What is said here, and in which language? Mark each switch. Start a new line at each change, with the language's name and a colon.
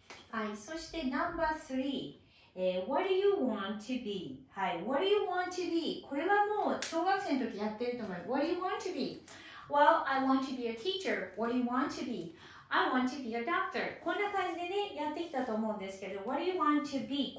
Japanese: はい、そして
English: number three。 What do you want to be? はい、What do you want to be?
Japanese: これはもう小学生の時やってると思います。
English: What do you want to be? Well, I want to be a teacher. What do you want to be? I want to be a doctor.
Japanese: こんな感じでね、やってきたと思うんですけど、
English: What do you want to be?